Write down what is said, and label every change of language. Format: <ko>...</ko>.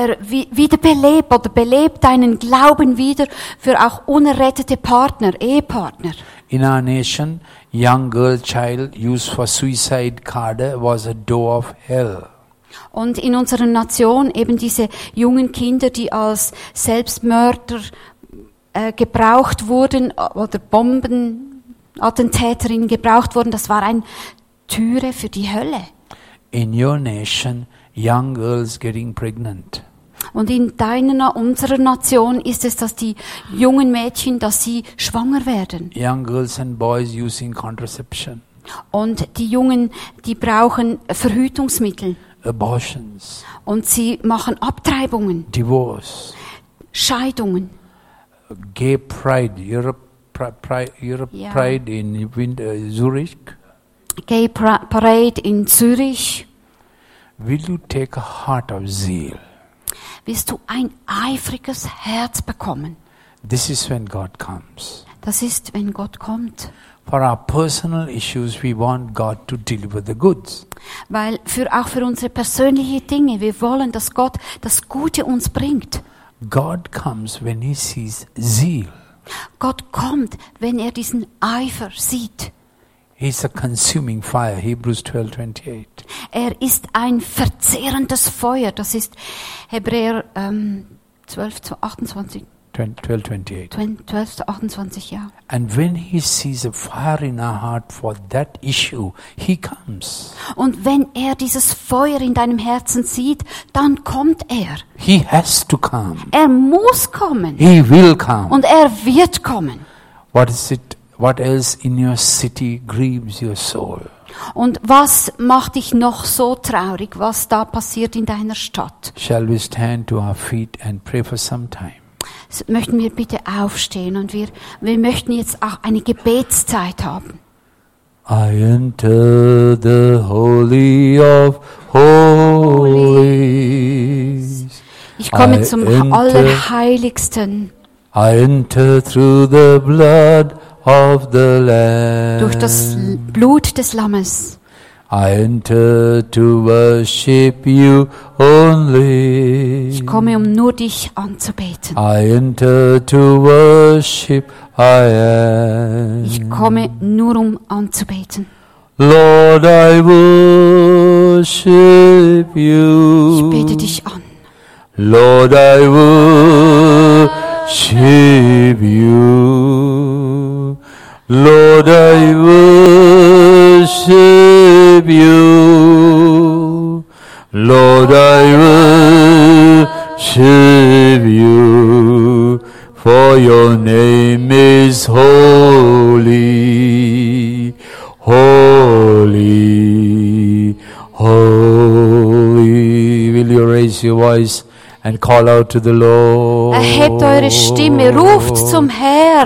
<de>Wiederbelebe oder belebe deinen Glauben wieder für auch unerrettete Partner, Ehepartner.</de> <en>In our nation, young girl child used for suicide card was a door of hell.</en> <de>Und in unserer Nation eben diese jungen Kinder, die als Selbstmörder gebraucht wurden oder Bombenattentäterinnen gebraucht wurden, das war eine Türe für die Hölle.</de> <en>In your nation, young girls getting pregnant.</en> <de>Und in deiner, unserer Nation ist es, dass die jungen Mädchen, dass sie schwanger werden.</de> <en>Young girls and boys using contraception.</en> <de>Und die Jungen, die brauchen Verhütungsmittel.</de> <en>Abortions.</en> <de>Und sie machen Abtreibungen.</de> <en>Divorce.</en> <de>Scheidungen.</de> <en>Gay Pride, Europe Pride in Zurich.</en> <de>Gay Parade in Zürich.</de> <en>Will you take a heart of zeal?</en> <de>Willst du ein eifriges Herz bekommen?</de> <en>This is when God comes.</en> <de>Das ist, wenn Gott kommt.</de> <en>For our personal issues, we want God to deliver the goods.</en> <de>Weil auch für unsere persönlichen Dinge, wir wollen, dass Gott das Gute uns bringt.</de> <en>God comes when he sees zeal.</en> <de>Gott kommt, wenn er diesen Eifer sieht.</de> <en>He's a consuming fire, Hebrews 12:28.</en> <de>Er ist ein verzehrendes Feuer, das ist Hebräer 12:28. 12:28. Ja.</de> <en>And when he sees a fire in our heart for that issue, he comes.</en> <de>Und wenn er dieses Feuer in deinem Herzen sieht, dann kommt er.</de> <en>He has to come.</en> <de>Er muss kommen.</de> <en>He will come.</en> <de>Und er wird kommen.</de> <en>What is it? What else in your city grieves your soul?</en> <de>Und was macht dich noch so traurig? Was da passiert in deiner Stadt?</de> <en>Shall we stand to our feet and pray for some time?</en> <de>Möchten wir bitte aufstehen und wir möchten jetzt auch eine Gebetszeit haben.</de> <en>I enter the Holy of Holies.</en> <de>Ich komme zum Allerheiligsten.</de> <en>I enter through the blood of the Lamb.</en> <de>Durch das Blut des Lammes.</de> <en>I enter to worship you only.</en> <de>Ich komme, um nur dich anzubeten.</de> <en>I enter to worship I am.</en> <de>Ich komme, nur um anzubeten.</de> <en>Lord, I worship you.</en> <de>Ich bete dich an.</de> <en>Lord, I worship you. Lord, I worship you. Lord, I worship you. For your name is holy, holy, holy. Will you raise your voice and call out to the Lord?</en> <de>Erhebt eure Stimme, ruft zum Herrn.</de>